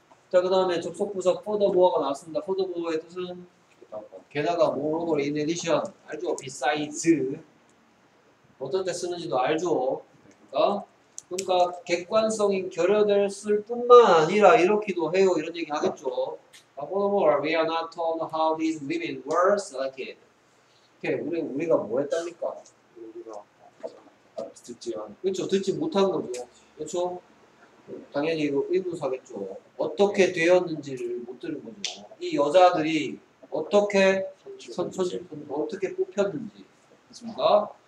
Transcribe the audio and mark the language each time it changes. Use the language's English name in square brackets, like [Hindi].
[Korean] 자, 그 다음에 접속부서 furthermore가 나왔습니다. furthermore의 뜻은 게다가 moreover in addition 알죠? besides 어떤 때 쓰는지도 알죠? 그러니까 객관성이 결여됐을 뿐만 아니라 이렇기도 해요. 이런 얘기 하겠죠. [English] furthermore we are not told how these women were selected. [Korean] 오케이, 우리가 뭐 했답니까? 듣지 못한 거죠. 그렇죠? 당연히 이거 의문사겠죠. 어떻게 되었는지를 못 들은 거죠. 이 여자들이 어떻게 어떻게 뽑혔는지, 그렇습니까?